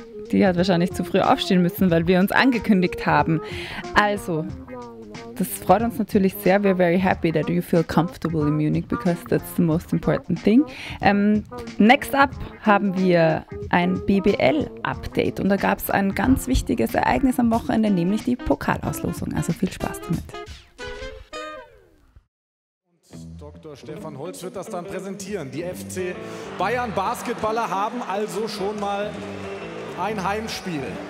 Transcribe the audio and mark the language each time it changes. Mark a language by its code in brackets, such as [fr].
[de] Die hat wahrscheinlich zu früh aufstehen müssen, weil wir uns angekündigt haben. Also, das freut uns natürlich sehr. [en] We're very happy that you feel comfortable in Munich, because that's the most important thing. Next up [de] haben wir ein BBL-Update. Und da gab es ein ganz wichtiges Ereignis am Wochenende, nämlich die Pokalauslosung. Also viel Spaß damit. Dr. Stefan Holz wird das dann präsentieren. Die FC Bayern Basketballer haben also schon mal ein Heimspiel.